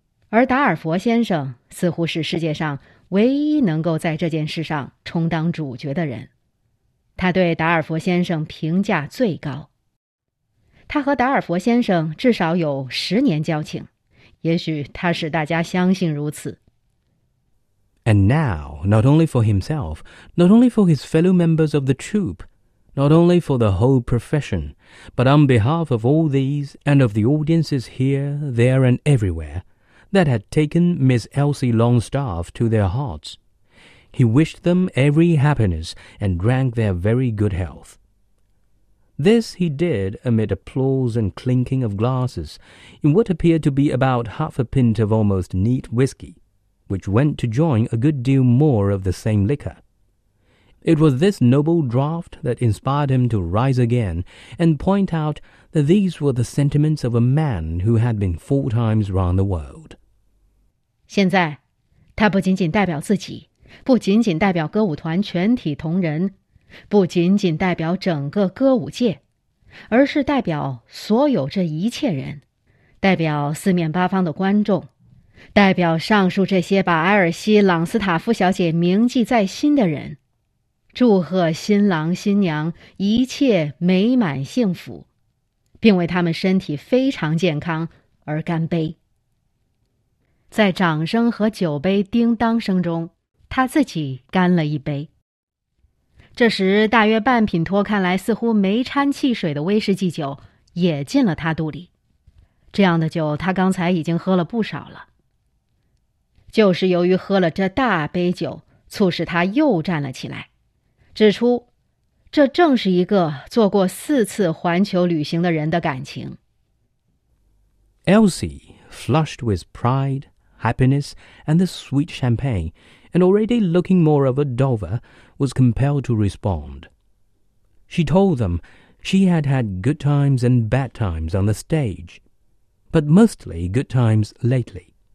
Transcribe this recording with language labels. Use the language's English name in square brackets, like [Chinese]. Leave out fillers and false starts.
[Chinese] 而达尔佛先生似乎是世界上唯一能够在这件事上充当主角的人。他对达尔佛先生评价最高。他和达尔佛先生至少有10年交情。也许他使大家相信如此。 [English] And now, not only for himself, not only for his fellow members of the troupe, not only for the whole profession, but on behalf of all these and of the audiences here, there and everywhere that had taken Miss Elsie Longstaff to their hearts, he wished them every happiness and drank their very good health. This he did amid applause and clinking of glasses in what appeared to be about 1/2 pint of almost neat whiskey, which went to join a good deal more of the same liquor. It was this noble draught that inspired him to rise again and point out that these were the sentiments of a man who had been 4 times round the world. [Chinese] 现在，他不仅仅代表自己，不仅仅代表歌舞团全体同仁，不仅仅代表整个歌舞界，而是代表所有这一切人，代表四面八方的观众，代表上述这些把埃尔西·朗斯塔夫小姐铭记在心的人，祝贺新郎新娘一切美满幸福，并为他们身体非常健康而干杯。在掌声和酒杯叮当声中，他自己干了一杯。这时大约半品托看来似乎没掺汽水的威士忌酒也进了他肚里，这样的酒他刚才已经喝了不少了。就是由于喝了这大杯酒，促使他又站了起来，指出这正是一个做过四次环球旅行的人的感情。 [English] Elsie, flushed with pride, happiness, and the sweet champagne, and already looking more of a Dover, was compelled to respond. She told them she had had good times and bad times on the stage, but mostly good times lately.